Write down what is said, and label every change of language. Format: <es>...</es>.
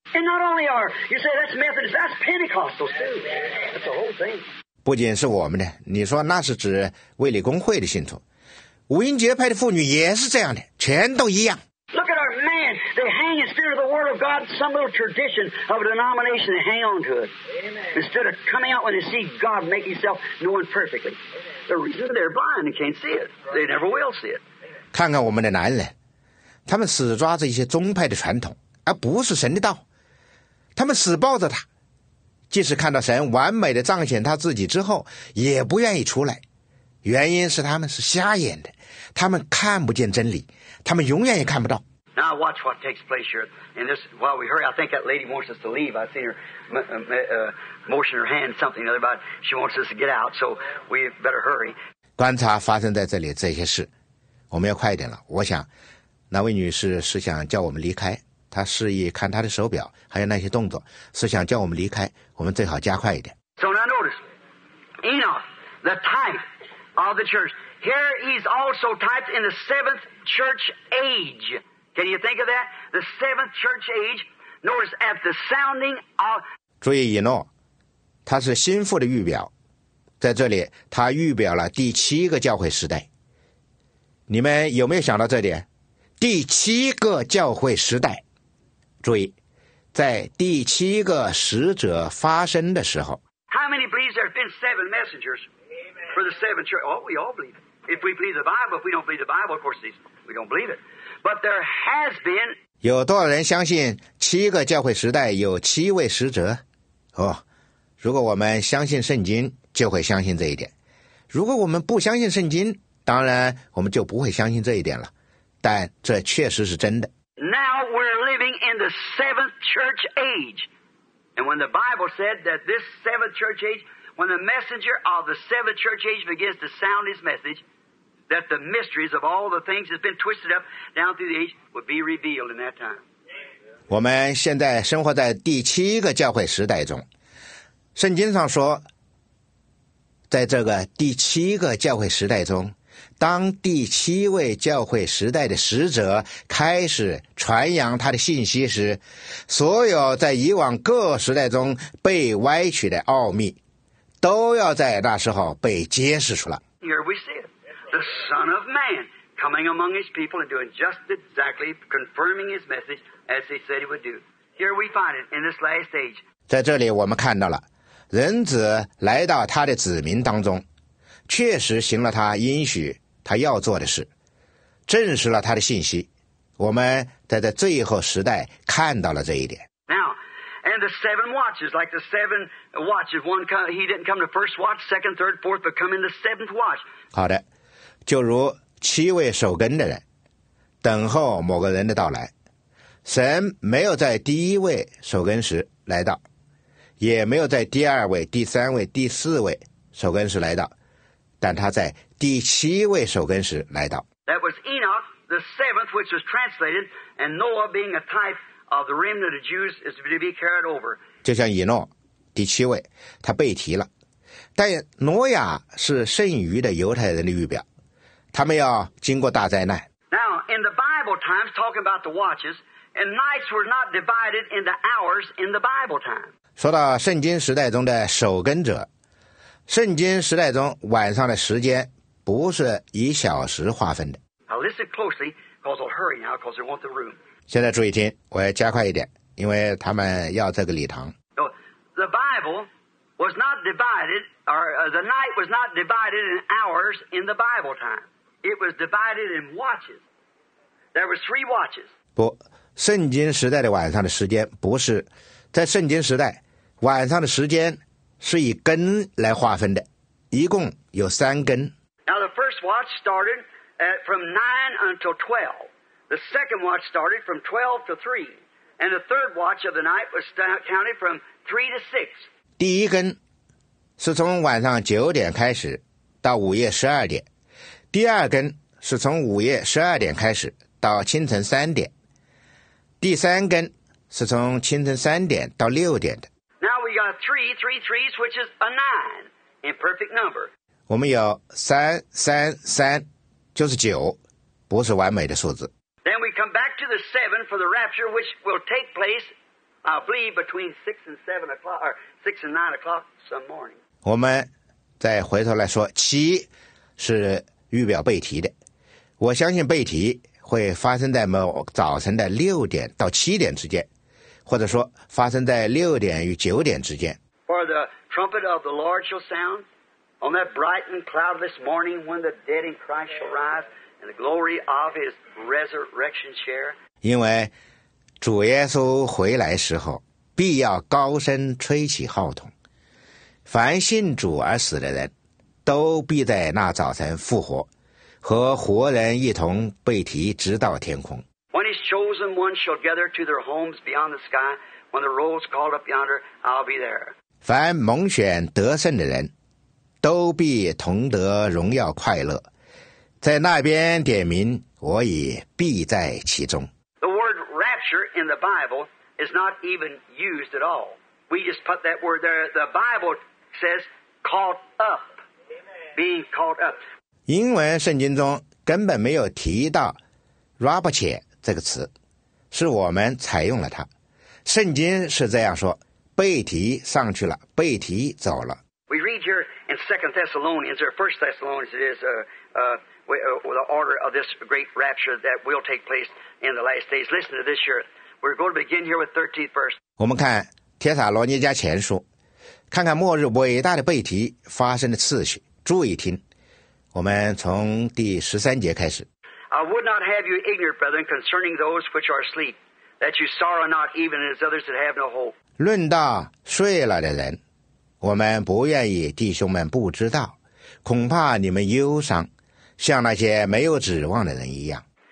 <en>And not only are you say that's Methodist, that's Pentecostal too. That's the whole thing.</en> <zh>不仅是我们的，你说那是指卫理公会的信徒，五旬节派的妇女也是这样的，全都一样。</zh> <en>Look at our man, they hang instead of the word of God, some little tradition of a denomination, they hang on to it. Amen. Instead of coming out when they see God make himself known perfectly. The reason they're blind, they can't see it. They never will see it.</en> <zh>看看我们的男人，他们死抓着一些宗派的传统，而不是神的道，他们死抱着他，即使看到神完美的彰显他自己之后，也不愿意出来，原因是他们是瞎眼的，他们看不见真理，他们永远也看不到。</zh> <en>Now watch what takes place here. And this, while we hurry, I think that lady wants us to leave. I've seen her motion her hand something or other about. She wants us to get out, so we better hurry.</en> <zh>观察发生在这里这些事，我们要快一点了。我想，那位女士是想叫我们离开，她示意看她的手表，还有那些动作，是想叫我们离开。我们最好加快一点。</zh> <en>So now notice, Enoch, the type of the church. Here he's also typed in the seventh church age. Can you think of that? The seventh church age. Notice at the sounding of.</en> <zh>注意以诺，他是心腹的预表，在这里他预表了第七个教会时代。你们有没有想到这点？第七个教会时代，注意，在第七个使者发生的时候。</zh> <en>How many believe there have been seven messengers for the seven church? Oh, we all believe it. If we believe the Bible, if we don't believe the Bible, of course we don't believe it. But there has been.</en> <zh>有多少人相信七个教会时代有七位使者？哦，如果我们相信圣经，就会相信这一点。如果我们不相信圣经，当然我们就不会相信这一点了，但这确实是真的。</zh> <en>Now we're living in the seventh church age. And when the Bible said that this seventh church age, when the messenger of the seventh church age begins to sound his message, that the mysteries of all the things that's been twisted up down through the age would be revealed in that time.</en> <zh>我们现在生活在第七个教会时代中，圣经上说，在这个第七个教会时代中，当第七位教会时代的使者开始传扬他的信息时，所有在以往各时代中被歪曲的奥秘都要在那时候被揭示出来。</zh> <en>Here we see it. The Son of Man coming among his people and doing just exactly confirming his message as he said he would do. Here we find it in this last age.</en> <zh>在这里我们看到了人子来到他的子民当中，确实行了他应许他要做的事，证实了他的信息。我们在这最后时代看到了这一点。</zh> <en>Now, and the seven watches, like the seven watches, one come, he didn't come to first watch, second, third, fourth, but come in the seventh watch.</en> <zh>好的，就如七位守更的人，等候某个人的到来，神没有在第一位守更时来到，也没有在第二位、第三位、第四位守更时来到。但他在第七位守更时来到。</zh> <en>That was Enoch, the seventh, which was translated, and Noah being a type of the remnant of Jews is to be carried over.</en> <zh>就像以诺，第七位，他被提了。但挪亚是剩余的犹太人的预表，他们要经过大灾难。</zh> <en>Now, in the Bible times, talking about the watches, and nights were not divided into hours in the Bible time.</en> <zh>说到圣经时代中的守更者，圣经时代中晚上的时间不是以小时划分的。</zh> <en>Now listen closely, because I'll hurry now, because they want the room.</en> <zh>现在注意听，我要加快一点，因为他们要这个礼堂。</zh> <en>No, the Bible was not divided, or the night was not divided in hours in the Bible time. It was divided in watches. There were three watches.</en> <zh>不，圣经时代的晚上的时间不是，在圣经时代，晚上的时间是以更来划分的，一共有三更。</zh> <en>Now the first watch started at from 9 until 12. The second watch started from 12 to 3. And the third watch of the night was counted from 3 to 6.</en> <zh>第一更是从晚上9点开始到午夜12点。第二更是从午夜12点开始到清晨3点。第三更是从清晨3点到6点的。</zh> <en>We got three threes, which is a nine in perfect number.</en> <zh>我们有333，就是九，不是完美的数字。</zh> <en>Then we come back to the seven for the rapture, which will take place, I believe, between 6 and 7 o'clock, or 6 and 9 o'clock some morning.</en> <zh>我们再回头来说，七是预表背提的。我相信背提会发生在某早晨的六点到七点之间，或者说发生在六点与九点之间。</zh> <en>For the trumpet of the Lord shall sound on that bright and cloudless morning when the dead in Christ shall rise in the glory of His resurrection chair.</en> <zh>因为主耶稣回来时候，必要高声吹起号筒，凡信主而死的人，都必在那早晨复活，和活人一同被提直到天空。</zh> <en>When his chosen ones shall gather to their homes beyond the sky, when the roll's called up yonder, I'll be there.</en> <zh>凡蒙选得胜的人，都必同得荣耀快乐，在那边点名，我也必在其中。</zh> <en>The word rapture in the Bible is not even used at all. We just put that word there. The Bible says caught up, being caught up.</en> <zh>英文圣经中根本没有提到 rapture 这个词，是我们采用了它。圣经是这样说，被提上去了，被提走了。</zh> <en>We read here in 2 Thessalonians, or 1 Thessalonians, it is the order of this great rapture that will take place in the last days. Listen to this here. We're going to begin here with 13th verse.</en> <zh>我们看帖撒罗尼迦前书，看看末日伟大的被提发生的次序。注意听，我们从第十三节开始。</zh> <en>I would not have you ignorant, brethren, concerning those which are asleep, that you sorrow not even as others that have no hope.</en> <zh>论到睡了的人，我们不愿意弟兄们不知道，恐怕你们忧伤，像那些没有指望的人一样。</zh>